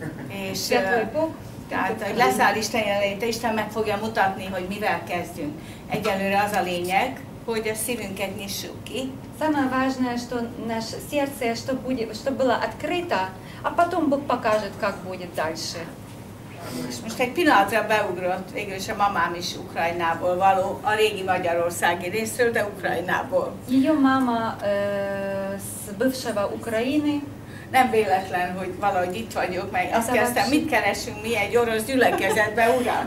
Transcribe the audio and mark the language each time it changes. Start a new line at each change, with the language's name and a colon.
Hungarian: És tehát, hogy leszáll Isten jelenléte, Isten meg fogja mutatni, hogy mivel kezdjünk. Egyelőre az a lényeg, hogy a szívünket nyissuk ki.
Russian: Самое важное, что наше сердце, чтобы было открыто, а потом Бог покажет, как будет дальше.
Hungarian: És most egy pillanatra beugrott, végül is a mamám is Ukrajnából való, a régi magyarországi részről, de Ukrajnából.
Russian: Jó mama z bivšava Ukrajiny.
Hungarian: Nem véletlen, hogy valahogy itt vagyok, mert azt kezdtem, mit keresünk mi egy orosz gyülekezetbe, uram?